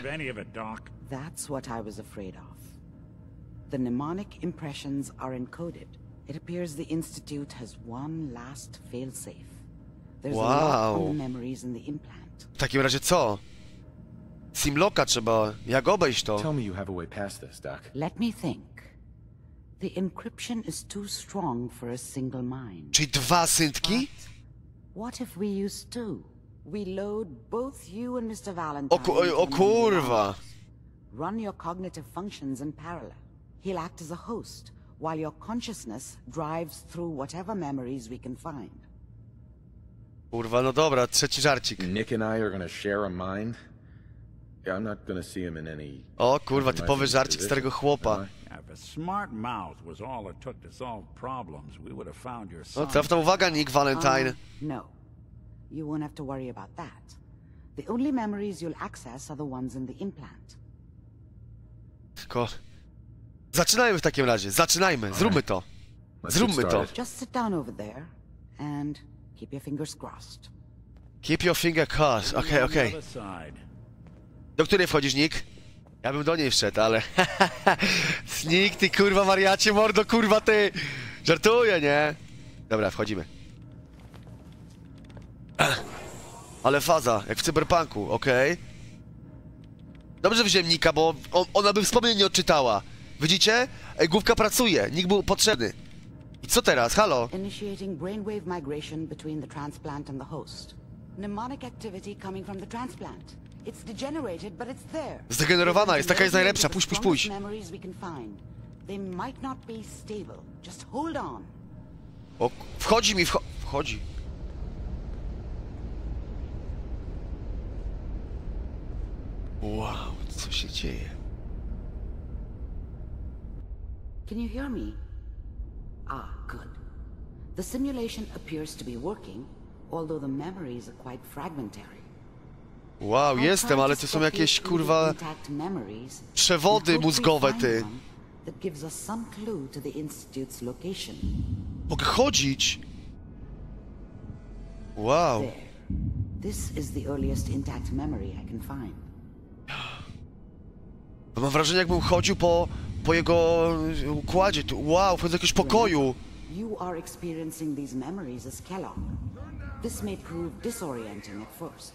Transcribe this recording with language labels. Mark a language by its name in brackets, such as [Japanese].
[English] That's what I was afraid of. The mnemonic impressions are encoded. It appears the Institute has one last failsafe. There's a lot of memories in the implant. [Polish] W takim razie co? Simloka trzeba, jak obejść to? [English] Tell me you have a way past this, Doc. Let me think. The encryption is too strong for a single mind. [Polish] Czyli dwa syntki? [English] What if we use two? We load both you and Mr. Valentine. [Polish] O kurwa. [English] Run your cognitive functions in parallel. He'll act as a host while your consciousness drives through whatever memories we can find. [Polish] Kurwa, no dobra, trzeci żarcik. [English] Nick and I are going to share a mind. Yeah, I'm not going to see him in any. [Polish] O kurwa, typowy żarcik starego chłopa. [English] If a smart mouth was all it took to solve problems, we would have found your son. [Polish] No, traf tam uwaga, Nick Valentine. No. [English] You won't have to worry about that. The only memories you'll access are the ones in the implant. [Polish] Tylko... Zaczynajmy w takim razie. Zaczynajmy. Zróbmy to. Zróbmy to. [English] Just sit down over there and keep your fingers crossed. Keep your finger crossed. Okay, okay. [Polish] Do której wchodzisz, Nick? Ja bym do niej wszedł, ale... Nick, ty kurwa wariacie, mordo kurwa ty! Żartuję, nie? Dobra, wchodzimy. Ale faza, jak w cyberpunku, okej. Okay. Dobrze wziąłem Nika, bo ona by wspomnień nie odczytała. Widzicie? Główka pracuje, Nik był potrzebny. I co teraz? Halo? [English] Initiating brainwave migration between the transplant and the host. Mnemonic activity coming from the transplant. It's degenerated, but it's there. [Polish] Zdegenerowana jest, taka jest najlepsza, pójdź. [English] Memories we can find. They might not be stable. Just hold on. [Polish] Wchodzi. Wow, co się dzieje? [English] Can you hear me? Ah, good. The simulation appears to be working, although the memories are quite fragmentary. [Polish] Wow, jestem, ale to są jakieś kurwa przewody mózgowe, ty. [English] That gives us some clue to the Institute's location. [Polish] Mogę chodzić? [English] Wow. This is the earliest intact memory I can find. [Polish] Bo mam wrażenie, jakbym chodził po jego układzie. Wow, chodzę do jakiegoś pokoju. [English] You are experiencing these memories as Kellogg. This may prove disorienting at first.